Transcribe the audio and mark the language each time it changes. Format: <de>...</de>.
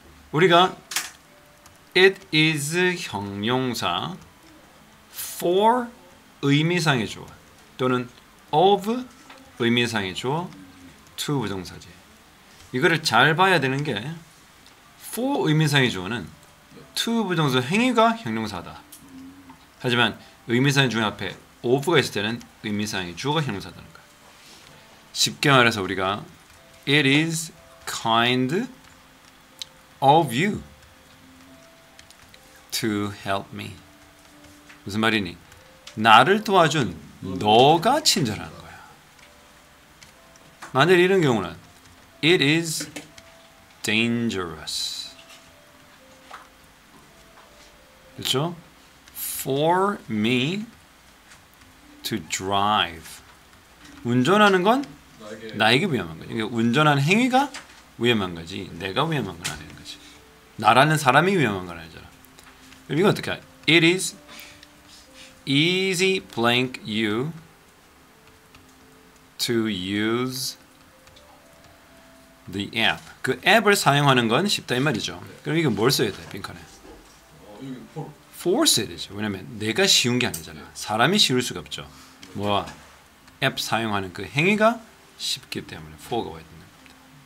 <ko>우리가 it is 형용사 for 의미상의 주어 또는 of 의미상의 주어 to 부정사지. 이거를 잘 봐야 되는 게 for 의미상의 주어는 to 부정사 행위가 형용사다. 하지만 의미상의 주어 앞에 of가 있을 때는 의미상의 주어가 형용사다는 거야. 쉽게 말해서 우리가</ko> <en>it is kind of you to help me.</en> <ko>무슨 말이니? 나를 도와준 너가 친절한 거야. 만약 이런 경우는</ko> <en>it is dangerous.</en> <ko>그렇죠?</ko> <en>For me to drive.</en> <ko>운전하는 건 나에게 위험한 거지. 그러니까 운전한 행위가 위험한 거지. 내가 위험한 건 아닌 거지. 나라는 사람이 위험한 건 아니잖아. 그럼 이건 어떻게 해?</ko> <en>It is easy blank you to use the app.</en> <ko>그 앱을 사용하는 건 쉽다 이 말이죠. 그럼 이거 뭘 써야 돼? 빈칸에. force 해야 되죠. 왜냐면 내가 쉬운 게 아니잖아. 사람이 쉬울 수가 없죠. 뭐야? 앱 사용하는 그 행위가 쉽기 때문에 for가 와야 되는 겁니다.</ko>